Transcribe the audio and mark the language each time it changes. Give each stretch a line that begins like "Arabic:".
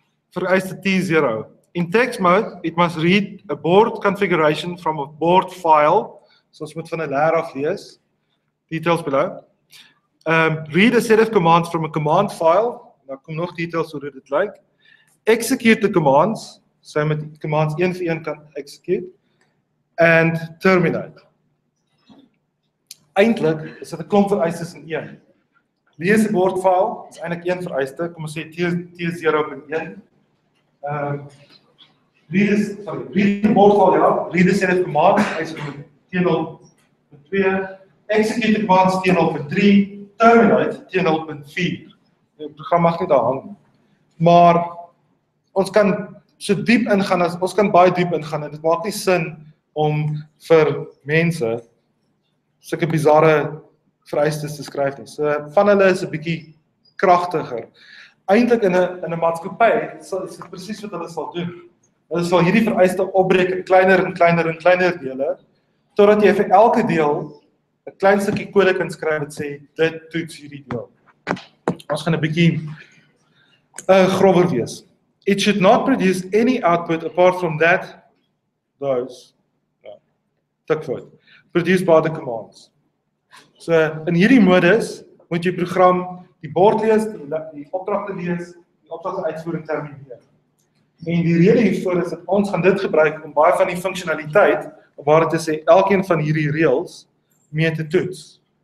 English: Vereiste T0. In text mode, it must read a board configuration from a board file.
Afrikaans: So ons moet van 'n ladder af lees.
English: Details below. Read a set of commands from a command file.
Afrikaans: Daar kom nog details oor hoe dit lyk.
English: Execute the commands.
Afrikaans: So jy moet commands een vir een kan execute.
English: And terminate.
Afrikaans: Eindelik is dit 'n klomp vereistes in een. Lees die board file, is eintlik een vereiste, kom ons sê T0.1.
English: Read the board file, ja, read the set of commands, eise met T0.2, execute the commands T0.3, terminate T0.4.
Afrikaans: Die program mag nie daar hang. Maar ons kan so diep ingaan as ons kan baie diep ingaan en dit maak nie sin om vir mense sulke bizarre vereistes te skryf nie. So van hulle is 'n bietjie kragtiger. Eintlik in 'n maatskappy is dit presies wat hulle sal doen. Hulle sal hierdie vereiste opbreek in kleiner en kleiner en kleiner dele totdat jy vir elke deel 'n klein stukkie kode kan skryf wat sê dit toets hierdie deel. Ons gaan 'n bietjie grower wees.
English: It should not produce any output apart from that those.
Afrikaans: Tik fout.
English: Produce by the commands.
Afrikaans: So in hierdie modus moet jy program die bord lees, die opdragte lees, die opdragte uitvoering termineer. En die rede hiervoor is dat ons gaan dit gebruik om baie van die funksionaliteit waar dit sê elkeen van hierdie reëls mee te toets.